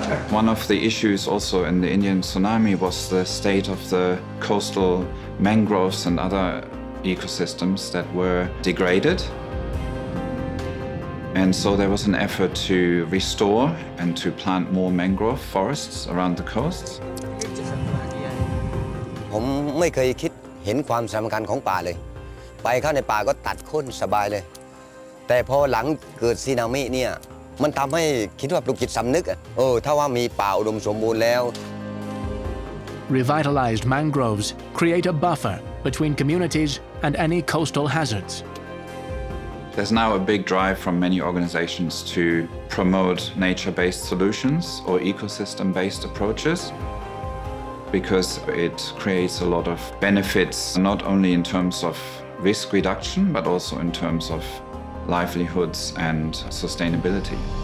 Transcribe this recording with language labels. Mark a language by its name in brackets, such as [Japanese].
[English] One of the issues also in the Indian tsunami was the state of the coastal mangroves and other ecosystems that were degraded. And so there was an effort to restore and to plant more mangrove forests around the coasts. [Thai] ผมไม่เคยคิดเห็นความสำคัญของป่าเลยไปเข้าในป่าก็ตัดโค่นสบายเลยแต่พอหลังเกิดสึนามิเนี่ยมันทำให้คิดว่าปลุกจิตสำนึกเออถ้าว่ามีป่าอุดมสมบูรณ์แล้ว [English] Revitalized mangroves create a bufferBetween communities and any coastal hazards. There's now a big drive from many organizations to promote nature-based solutions or ecosystem-based approaches because it creates a lot of benefits, not only in terms of risk reduction, but also in terms of livelihoods and sustainability.